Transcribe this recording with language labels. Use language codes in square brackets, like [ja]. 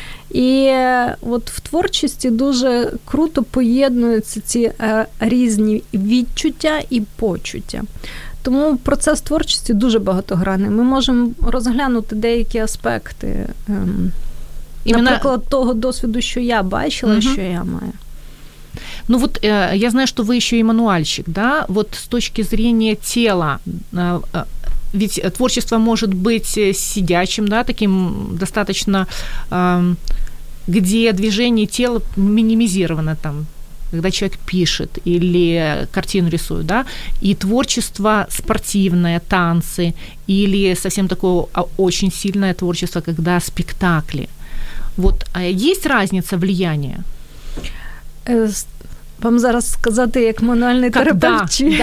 [uk] І от в творчості дуже круто поєднуються ці різні відчуття і почуття. Тому процес творчості дуже багатогранний. Ми можемо розглянути деякі аспекти, наприклад, того досвіду, що я бачила, що я маю. [ru] Ну вот я знаю, что вы еще и мануальщик, да? Вот с точки зрения тела, ведь творчество может быть сидячим, да, таким достаточно, где движение тела минимизировано там, когда человек пишет или картину рисует, да, и творчество спортивное, танцы, или совсем такое очень сильное творчество, когда спектакли. Вот есть разница влияния? [uk] Вам зараз сказати, як мануальний терапевт?